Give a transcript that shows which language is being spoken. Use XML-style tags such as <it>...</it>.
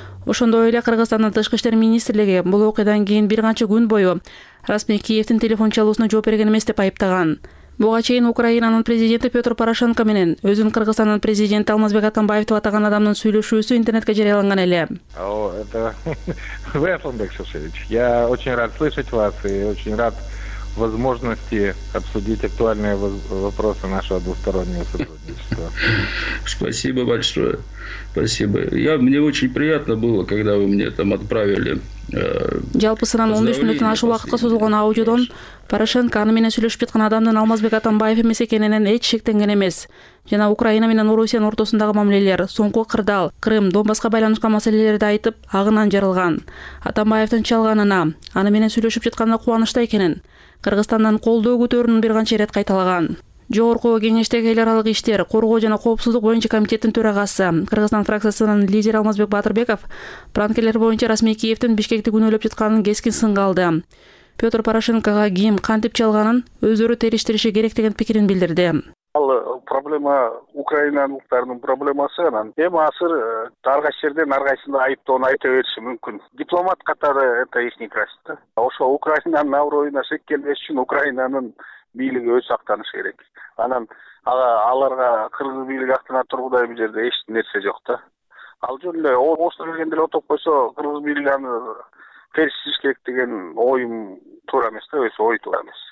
<ky>Ошондой эле Кыргызстандын тышкы иштер министрлиги бул окуядан кийин бир канча күн бою расмий Киевдин телефон чалуусуна жооп берген эмес деп айыптаган. Буга чейин Украинанын президенти Петр Порошенко менен өзүн Кыргызстандын президенти Алмазбек Атамбаев деп атаган адамдын сүйлөшүүсү интернетке жарыяланган эле.</ky> <ru>Вы, Атамбек Шевшевич, я очень рад слышать вас и очень рад возможности обсудить актуальные вопросы нашего двустороннего сотрудничества. Спасибо большое. Спасибо. Мне очень приятно было, когда вы мне там отправили.</ru> <ky>Жалпысынан 15 мүнөттөн ашык убакытка созулган аудиодон Порошенко аны менен сүйлөшүп жаткан адамдын Алмазбек Атамбаев эмес экенинен эч шектенген эмес. Жана Украина менен Орусиянын ортосундагы мамилелер, соңку кырдаал, Крым, Донбасска байланышкан маселелерди айтып, агынан жарылган. Атамбаевдин чалганына, аны менен сүйлөшүп жатканына кубанышта экенин Кыргызстандан колдоо көтөрүүнүн бир канча ирет кайталаган. Жогорку кеңештеги эл аралык иштер, коргоо жана коопсуздук боюнча комитеттин төрагасы, Кыргызстан фракциясынын лидери Алмазбек Батырбеков пранкерлер боюнча расмий Киевдин Бишкекти күнөөлөп жатканын кескин сынга алды. Петр Порошенкога ким кантип чалганын өздөрү териштириши керек деген пикирин билдирди. Ал проблема украиналыктардын проблемасы, анан эми азыр ар кайсы жерден ар кайсынын айыптоону айта бериши мүмкүн. Дипломат катары</ky> <ru>это их не красит.</ru> <ky>Ошо Украинанын абройуна шек келбеш үчүн Украинанын бийлиги өзү сактанышы керек. Анан аларга кыргыз бийлиги актына тургудай бул жерде эч нерсе жок да. Ал жөн эле ошо келгенде эле отоп койсо кыргыз бийлиги аны териштириш керек деген оюм туура эмес да, өзү ой туура эмес.</ky>